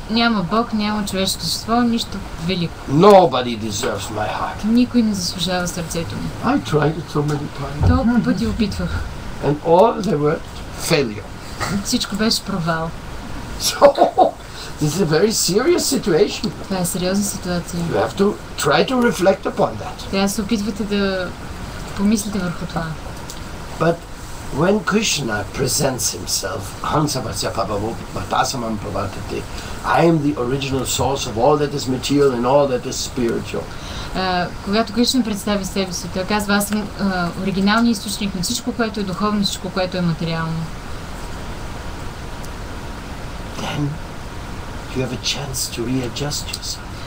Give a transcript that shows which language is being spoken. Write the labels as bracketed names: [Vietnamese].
[Bulgarian] Няма Бог, няма човешко същество, нищо велико. [English] Nobody deserves my heart. [Bulgarian] Никой не заслужава сърцето ми. [English] I tried it so many times. [Bulgarian] Толкова пъти опитвах. [English] And all they were failure. [Bulgarian] Всичко беше провал. [English] So this is a very serious situation. [Bulgarian] Това е сериозна ситуация. [English] You have to try to reflect upon that. [Bulgarian] Трябва да се опитвате да помислите върху това. [English] But when Krishna presents himself, [Sanskrit] Hansavasya Pabavatasamam Pravatati, [English] I am the original source of all that is material and all that is spiritual. [Bulgarian] Когато Кришна представи себе си, той казва, аз съм оригиналният източник на всичко, което е духовно, всичко, което е материално. [English] Then you have a chance to readjust yourself.